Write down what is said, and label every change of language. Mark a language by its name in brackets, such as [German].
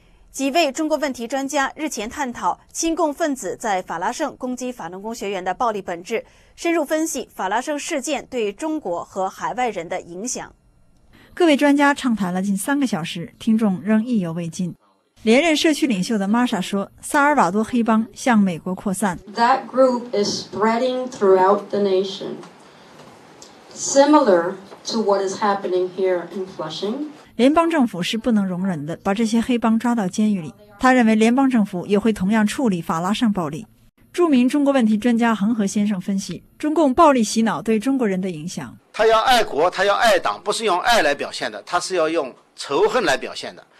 [Chinese] 几位中国问题专家日前探讨亲共分子在法拉盛攻击法轮功学员的暴力本质，深入分析法拉盛事件对中国和海外人的影响。各位专家畅谈了近3个小时，听众仍意犹未尽。连任社区领袖的 Masha 说，萨尔瓦多黑帮向美国扩散。 [English] That group is spreading throughout the nation, similar to what is happening here in Flushing. [Chinese] 联邦政府是不能容忍的，把这些黑帮抓到监狱里。他认为联邦政府也会同样处理法拉盛暴力。著名中国问题专家恒河先生分析中共暴力洗脑对中国人的影响。他要爱国，他要爱党，不是用爱来表现的，他是要用仇恨来表现的。